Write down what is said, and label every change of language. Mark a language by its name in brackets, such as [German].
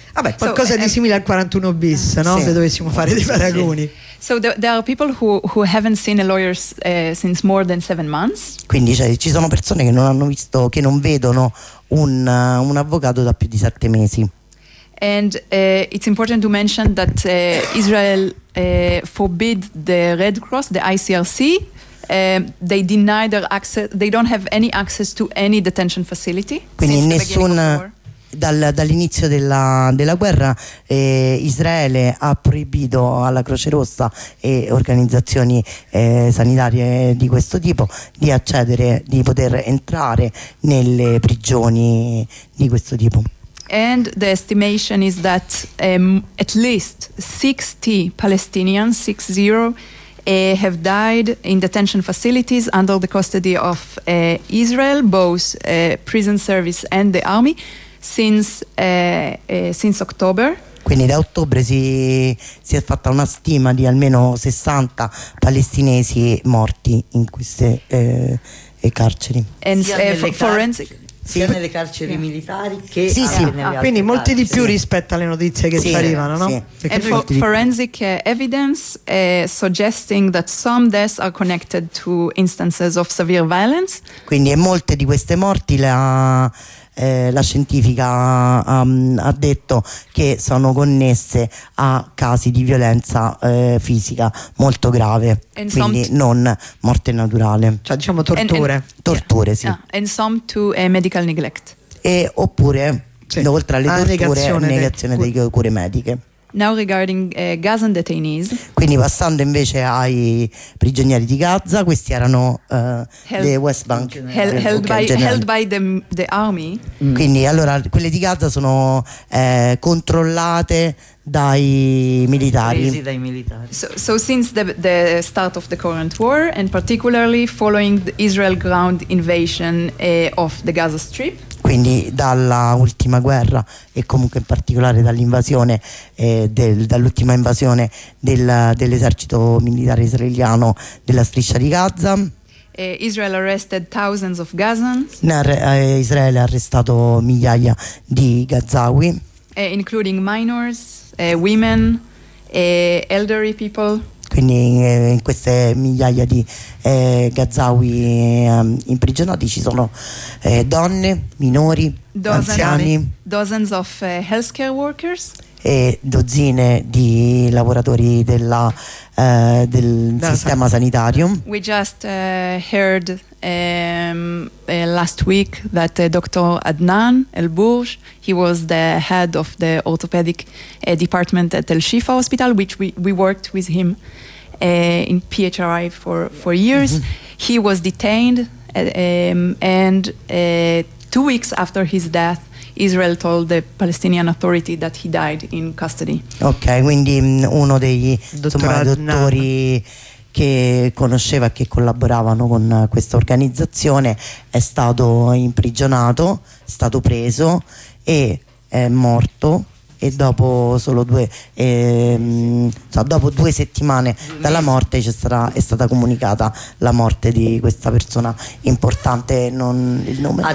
[Italian] Vabbè, qualcosa di simile al 41 bis, no? Sì. Se dovessimo fare dei paragoni. [English] So there are people who haven't seen a lawyer since more than 7 months. [Italian] Quindi ci sono persone che non hanno visto, che non vedono un avvocato da più di 7 mesi. [English] And it's important to mention that Israel forbid the Red Cross, the ICRC. They deny their access. They don't have any access to any detention facility. [Italian] Quindi nessuna. Dall'inizio della guerra Israele ha proibito alla Croce Rossa e organizzazioni sanitarie di questo tipo di accedere, di poter entrare nelle prigioni di questo tipo. [English] And the estimation is that at least 60 Palestinians, 60, have died in detention facilities under the custody of Israel, both prison service and the army. Since October. [Italian] Quindi da ottobre si è fatta una stima di almeno 60 palestinesi morti in queste carceri. [English] And forensic. [Italian] Sia nelle carceri militari che sì, sì, nelle altre. Quindi molti carceri, di più, sì, rispetto alle notizie che, sì, ci arrivano, no? Sì. [English] And forensic evidence suggesting that some deaths are connected to instances of severe violence. [Italian] Quindi molte di queste morti la scientifica ha detto che sono connesse a casi di violenza fisica molto grave, and quindi non morte naturale. Cioè, diciamo torture. Torture, sì. [English] And some to medical neglect. [Italian] E oppure, sì, oltre alle torture, negazione delle cure mediche. [English] Now regarding Gazan detainees. [Italian] Quindi passando invece ai prigionieri di Gaza, questi erano [English] the West Bank held by the army. Mm. [Italian] Quindi allora quelle di Gaza sono controllate dai militari. Presi dai militari. [English] So since the start of the current war and particularly following the Israel ground invasion of the Gaza Strip. [Italian] Quindi dalla ultima guerra e comunque in particolare dall'invasione dall'ultima invasione dell'esercito militare israeliano della striscia di Gaza. [English] Israel arrested thousands of Gazans. [Italian] Israele ha arrestato migliaia di Gazawi, [English] including minors, women, elderly people. [Italian] Quindi in queste migliaia di Gazawi imprigionati ci sono donne, minori, anziani. [English] Dozens of healthcare workers. [Italian] e dozzine di lavoratori della, del sistema sanitario. [English] We just heard last week that Dr. Adnan Elbourg, he was the head of the orthopedic department at El Shifa Hospital, which we worked with him in PHRI for years. Mm-hmm. He was detained, and 2 weeks after his death, Israel told the Palestinian Authority that he died in custody. [Italian] Ok, quindi uno dei dottori che conosceva e che collaboravano con questa organizzazione è stato imprigionato, è stato preso e è morto, e dopo solo due settimane dalla morte è stata comunicata la morte di questa persona importante, non il nome,